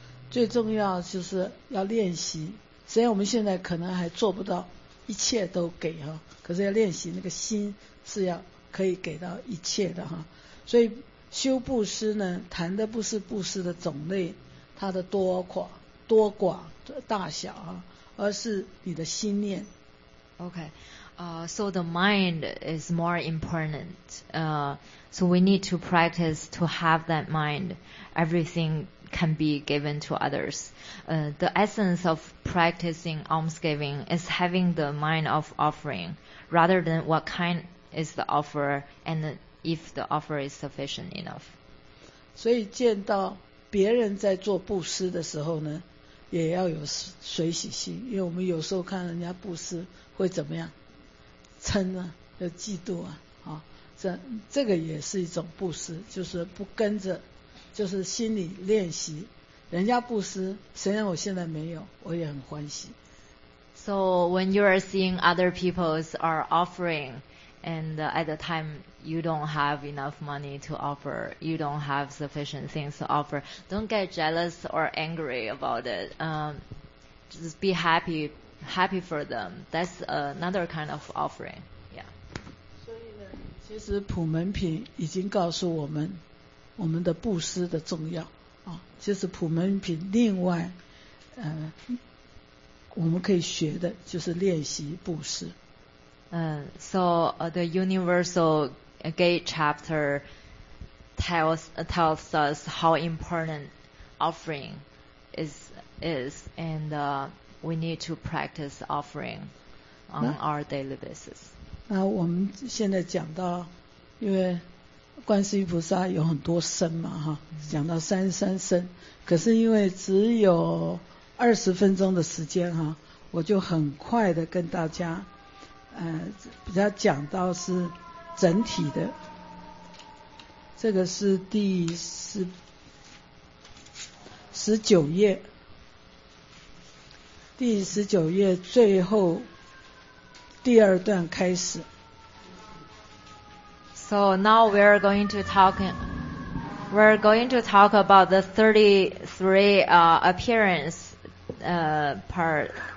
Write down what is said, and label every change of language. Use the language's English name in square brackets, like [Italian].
[Chinese] 最重要就是要练习，虽然我们现在可能还做不到一切都给哈，可是要练习那个心是要可以给到一切的哈。所以修布施呢，谈的不是布施的种类，它的多寡大小啊，而是你的心念。 [English] Okay, so the mind is more important. So we need to practice to have that mind. Everything. Can be given to others. The essence of practicing almsgiving is having the mind of offering, rather than what kind is the offer and if the offer is sufficient enough. [Chinese] 所以见到别人在做布施的时候呢，也要有随喜心，因为我们有时候看人家布施会怎么样，嗔啊，有嫉妒啊，啊，这个也是一种布施，就是不跟着，就是心里练习，人家布施，虽然我现在没有，我也很欢喜。 [English] So when you are seeing other people's are offering, and at the time you don't have enough money to offer, you don't have sufficient things to offer, don't get jealous or angry about it. Just be happy for them. That's another kind of offering. Yeah. [Chinese] 所以呢，其实普门品已经告诉我们，我们的布施的重要啊。其实普门品另外，我们可以学的就是练习布施。 [English] The universal gate chapter tells us how important offering is, and we need to practice offering on our daily basis. [Chinese] 那我们现在讲到，因为观世音菩萨有很多身嘛，哈，讲到三三身，可是因为只有20分钟的时间哈，我就很快的跟大家，比较讲到是整体的，这个是第19页，第十九页最后第二段开始。 [English] So now we're going to talk about the 33 appearance part.